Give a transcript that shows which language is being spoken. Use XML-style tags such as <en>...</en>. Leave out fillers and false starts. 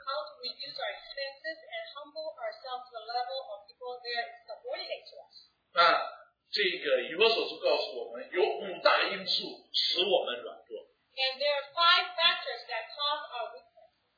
<en>How to reduce our expenses and humble ourselves to the level of people that are subordinate to us?</en> <zh>这个以弗所书告诉我们，有5大因素使我们软弱。</zh> <en>And there are 5 factors that cause our weakness.</en>